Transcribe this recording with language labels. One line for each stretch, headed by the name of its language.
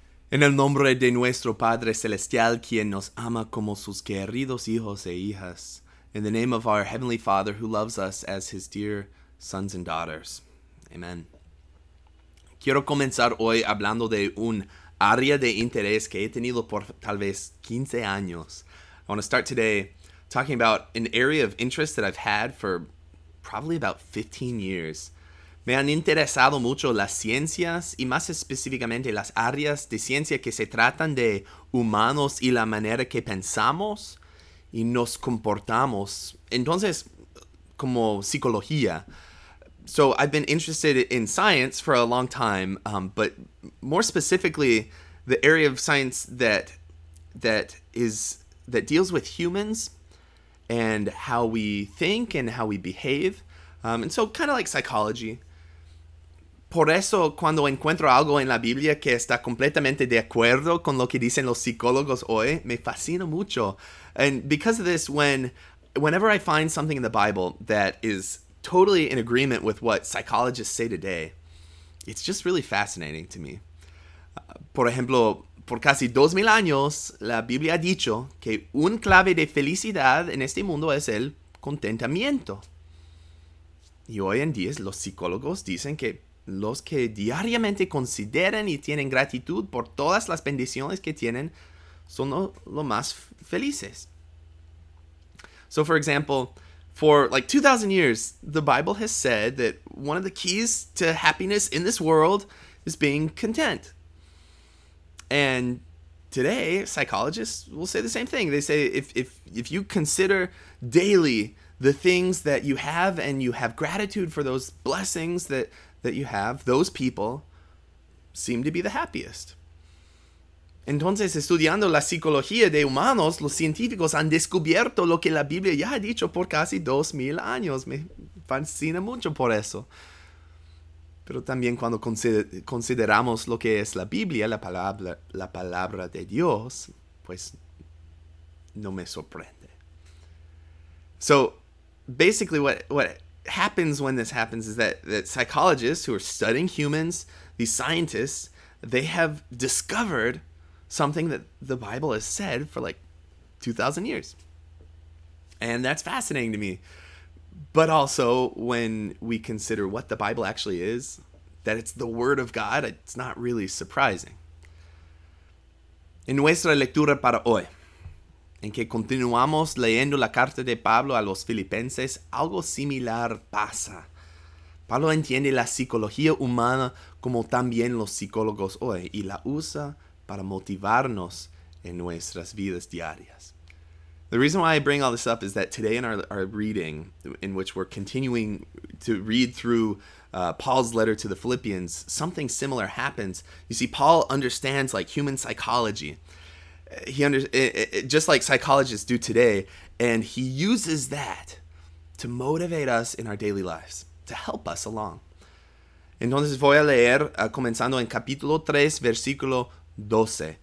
Spanish: En el nombre de nuestro Padre Celestial, quien nos ama como sus queridos hijos e hijas.
English: In the name of our Heavenly Father, who loves us as his dear sons and daughters. Amen.
Spanish: Quiero comenzar hoy hablando de un área de interés que he tenido por tal vez 15 años.
English: I want to start today talking about an area of interest that I've had for probably about 15 years.
Spanish: Me han interesado mucho las ciencias y más específicamente las áreas de ciencia que se tratan de humanos y la manera que pensamos y nos comportamos. Entonces, como psicología.
English: So I've been interested in science for a long time, but more specifically, the area of science that deals with humans and how we think and how we behave. And so kind of like psychology.
Spanish: Por eso, cuando encuentro algo en la Biblia que está completamente de acuerdo con lo que dicen los psicólogos hoy, me fascina mucho.
English: And because of this, whenever I find something in the Bible that is totally in agreement with what psychologists say today, it's just really fascinating to me.
Spanish: Por ejemplo, por casi 2,000 años, la Biblia ha dicho que un clave de felicidad en este mundo es el contentamiento. Y hoy en día, los psicólogos dicen que los que diariamente consideran y tienen gratitud por todas las bendiciones que tienen son lo más felices.
English: So, for example, for like 2,000 years, the Bible has said that one of the keys to happiness in this world is being content. And today, psychologists will say the same thing. They say if you consider daily the things that you have and you have gratitude for those blessings that you have, those people seem to be the happiest.
Spanish: Entonces, estudiando la psicología de humanos, los científicos han descubierto lo que la Biblia ya ha dicho por casi 2,000 años. Me fascina mucho por eso. Pero también cuando consideramos lo que es la Biblia, la palabra de Dios, pues no me sorprende.
English: So, basically what happens when this happens is that psychologists who are studying humans, these scientists, they have discovered something that the Bible has said for like 2,000 years. And that's fascinating to me. But also, when we consider what the Bible actually is, that it's the Word of God, it's not really surprising.
Spanish: En nuestra lectura para hoy, en que continuamos leyendo la carta de Pablo a los Filipenses, algo similar pasa. Pablo entiende la psicología humana como también los psicólogos hoy y la usa para motivarnos en nuestras vidas diarias.
English: The reason why I bring all this up is that today in our reading, in which we're continuing to read through Paul's letter to the Philippians, something similar happens. You see, Paul understands like human psychology. He understands just like psychologists do today, and he uses that to motivate us in our daily lives, to help us along.
Spanish: Entonces voy a leer comenzando en capítulo 3, versículo 12.